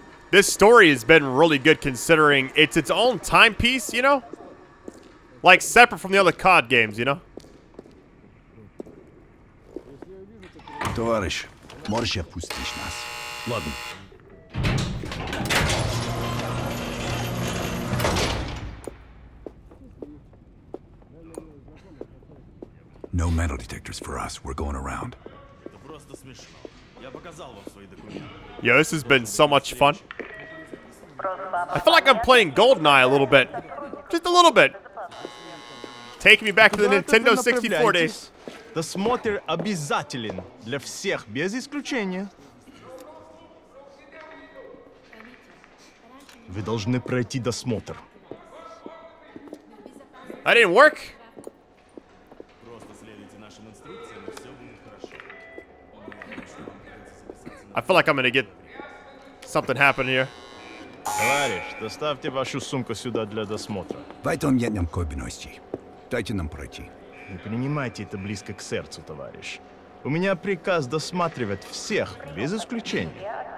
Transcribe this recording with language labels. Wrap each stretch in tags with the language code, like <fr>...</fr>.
<en>This story has been really good considering it's its own timepiece, you know? Like, separate from the other COD games, you know?</en> <ru>Товарищ, можешь опустить нас? Ладно.</ru> <en>No metal detectors for us. We're going around. Yeah, this has been so much fun. I feel like I'm playing GoldenEye a little bit. Just a little bit. Taking me back to the Nintendo 64 days.</en> <ru>Досмотр обязателен для всех без исключения. Вы должны пройти досмотр.</ru> <en>That didn't work. I feel like I'm gonna get something happen here.</en> <ru>Товарищ, доставьте вашу сумку сюда для досмотра. Потом я нам кобиностей. Дайте нам пройти. Не принимайте это близко к сердцу, товарищ. У меня приказ досматривать всех, без исключения.</ru>